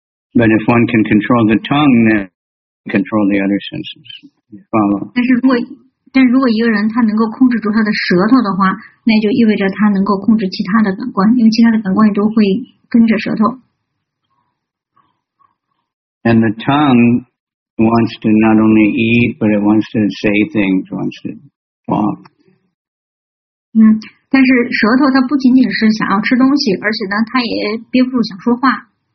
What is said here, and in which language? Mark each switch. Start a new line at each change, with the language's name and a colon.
English: But if one can control the tongue, then control the other senses. Follow.
Chinese: 但如果一个人他能够控制住他的舌头的话，那就意味着他能够控制其他的感官，因为其他的感官也都会跟着舌头。
English: And the tongue wants to not only eat, but it wants to say things, wants to talk.
Chinese: 但是舌头它不仅仅是想要吃东西，而且呢，它也憋不住想说话。